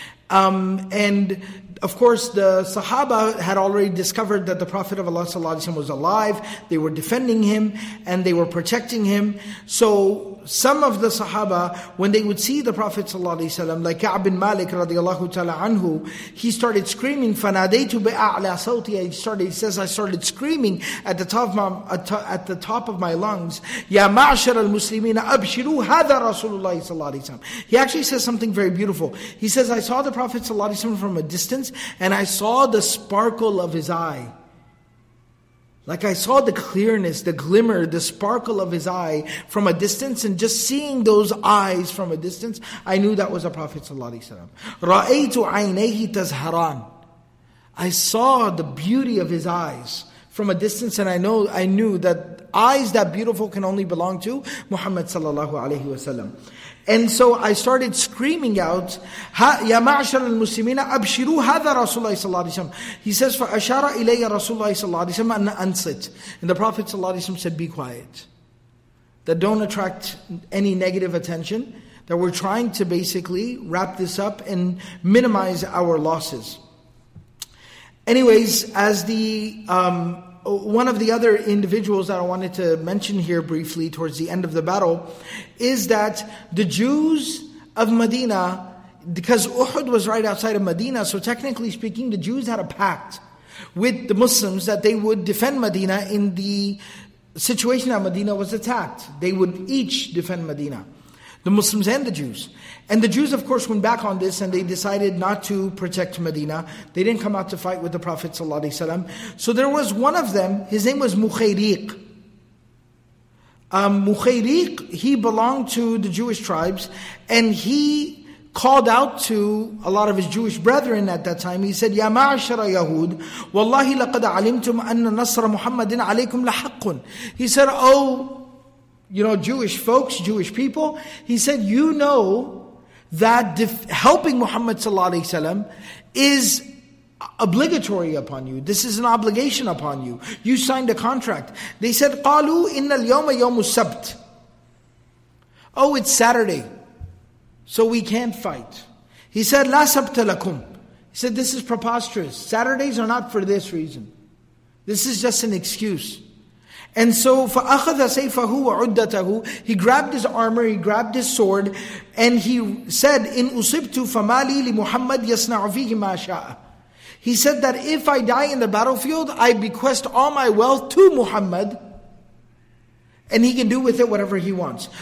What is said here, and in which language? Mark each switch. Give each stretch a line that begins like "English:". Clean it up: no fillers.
English: And of course, the Sahaba had already discovered that the Prophet of Allah sallallahu alaihi wasallam was alive. They were defending him and they were protecting him. So some of the Sahaba, when they would see the Prophet sallallahu alaihi wasallam, like Ka'b bin Malik radiallahu ta'ala anhu, he started screaming,
Arabic: فَنَادَيْتُ بِأَعْلَى صَوْتِي.
English: I started screaming at the top of my lungs,
Arabic: يَا مَعْشَرَ الْمُسْلِمِينَ أَبْشِرُوا هَذَا رَسُولُ اللَّهِ صَلَّى اللَّهِ عَلَيْهِ وَسَلَّمَ.
English: He actually says something very beautiful. He says, I saw the Prophet sallallahu alaihi wasallam from a distance, and I saw the sparkle of his eye. Like I saw the clearness, the glimmer, the sparkle of his eye from a distance, and just seeing those eyes from a distance, I knew that was a Prophet sallallahu alaihi wasallam.
Arabic: رَأَيْتُ عَيْنَيْهِ تَزْهَرَانَ.
English: I saw the beauty of his eyes from a distance, and I knew that eyes that beautiful can only belong to Muhammad sallallahu alaihi wasallam. And so I started screaming out,
Arabic: يَا مَعْشَرَ الْمُسْلِمِينَ أَبْشِرُوا هَذَا رَسُولَ اللَّهِ صَلَّى اللَّهِ عَلَيْهِ وَسَلَّمَ.
English: He says,
Arabic: فَأَشَارَ إِلَيَّ رَسُولَ اللَّهِ صَلَّى اللَّهِ عَلَيْهِ وَسَلَّمَ أَنْ أَنْصِتْ.
English: And the Prophet صلى الله عليه وسلم said, be quiet. That don't attract any negative attention. That we're trying to basically wrap this up and minimize our losses. Anyways, as the one of the other individuals that I wanted to mention here briefly towards the end of the battle is that the Jews of Medina, because Uhud was right outside of Medina, so technically speaking, the Jews had a pact with the Muslims that they would defend Medina in the situation that Medina was attacked. They would each defend Medina, the Muslims and the Jews. And the Jews, of course, went back on this and they decided not to protect Medina. They didn't come out to fight with the Prophet ﷺ. So there was one of them, his name was Mukhayriq. Mukhayriq, he belonged to the Jewish tribes, and he called out to a lot of his Jewish brethren at that time. He said,
Arabic: يَا مَعْشَرَ يَهُودِ وَاللَّهِ لَقَدْ عَلِمْتُمْ أَنَّ نَصْرَ مُحَمَّدٍ عَلَيْكُمْ لَحَقٌ.
English: He said, oh, you know, Jewish folks, Jewish people, he said, you know that helping Muhammad sallallahu alaihi wasallam is obligatory upon you. This is an obligation upon you. You signed a contract. They said,
Arabic: قَالُوا إِنَّ الْيَوْمَ يَوْمُ السَّبْتِ.
English: Oh, it's Saturday, so we can't fight. He said,
Arabic: لَا سَبْتَ لَكُمْ.
English: He said, this is preposterous. Saturdays are not for this reason. This is just an excuse. And so,
Arabic: فَأَخَذَ سَيْفَهُ وَعُدَّتَهُ.
English: He grabbed his armor, he grabbed his sword, and he said,
Arabic: إِنْ أُصِبْتُ فَمَالِي لِمُحَمَّدْ يَصْنَعُ فِيهِ مَا شَاءَ.
English: He said that if I die in the battlefield, I bequest all my wealth to Muhammad, and he can do with it whatever he wants.